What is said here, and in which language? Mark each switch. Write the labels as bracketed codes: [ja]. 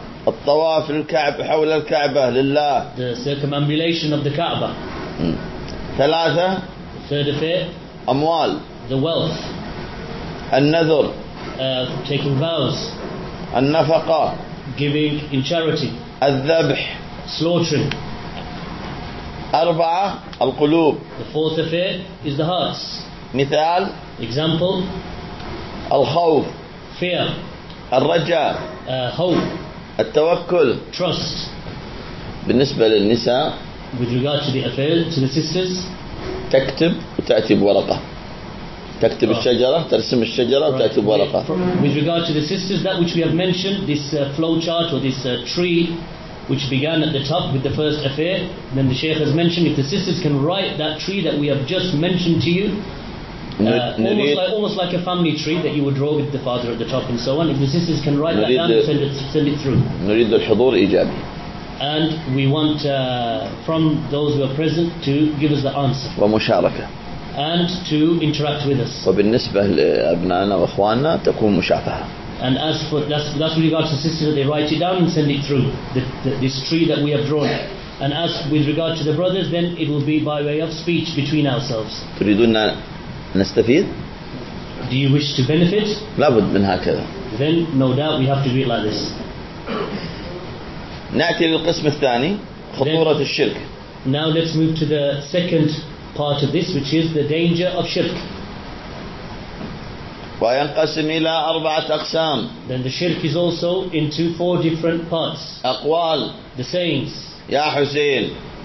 [ar] الطواف الكعب حول الكعبة لله. [en] The circumambulation of the كعبة. [ar] ثلاثة. [en] The third affair. [ar] أموال. [en] The wealth. [ar] النذر. [en] Taking vows. [ar] النفقة. [en] Giving in charity. [ar] الذبح. [en] Slaughtering. [ar] أربعة. القلوب. [en] The fourth affair is the hearts. [ar] مثال. [en] Example. [ar] الخوف. [en] Fear. [ar] الرجاء. [en] Hope. [ar] التوكل. [en] Trust. [ar] بالنسبة للنساء. [en] With regard to the affair, to the sisters. [ar] تكتب وتأتي بورقة. تكتب الشجرة, ترسم الشجرة وتأتي بورقة. [en] With regard to the sisters, that which we have mentioned, this flow chart or this tree, which began at the top with the first affair, then the Shaykh has mentioned, if the sisters can write that tree that we have just mentioned to you, almost like a family tree that you would draw with the father at the top and so on. If the sisters can write that down, send it through. [ar] نريد الحضور إيجابي. [en] And we want from those who are present to give us the answer. [ar] ومشاركة. [en] And to interact with us. [ar] وبالنسبة لأبنائنا وأخواننا تكون مشافهة. [en] And as for that's with regard to sisters, they write it down and send it through this tree that we have drawn. And as with regard to the brothers, then it will be by way of speech between ourselves. [ar] تريدون نستفيد. [en] Do you wish to benefit? [ar] لابد من هكذا. [en] Then no doubt we have to do it like this. [ar] نأتي للقسم الثاني خطورة then, الشرك. [en] Now let's move to the second part of this, which is the danger of shirk. [ar] وينقسم إلى أربعة أقسام. [en] Then the shirk is also into four different parts. [ar] أقوال. [en] The sayings. [ar] يا حسين.